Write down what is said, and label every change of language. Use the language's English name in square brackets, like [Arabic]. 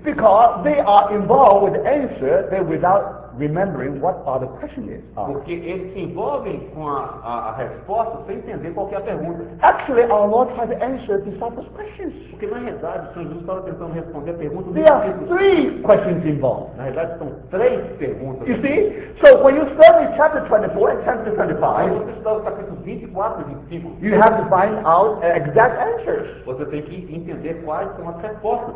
[English] Because they are involved with the answer, but without remembering what are the question is. [Portuguese] Porque eles se envolvem com a resposta sem entender qual que é a pergunta. [English] Actually, our Lord has answered the disciples' questions. [Portuguese] Porque na realidade, o Senhor Jesus estava tentando responder a pergunta. [English] There are three questions involved. [Portuguese] Na realidade, são três perguntas. [English] You see? So when you study chapter 24 and chapter 25, [Portuguese] você estuda capítulos 24 e 25, [English] you have to find out exact answers. [Portuguese] Você tem que entender quais são as respostas.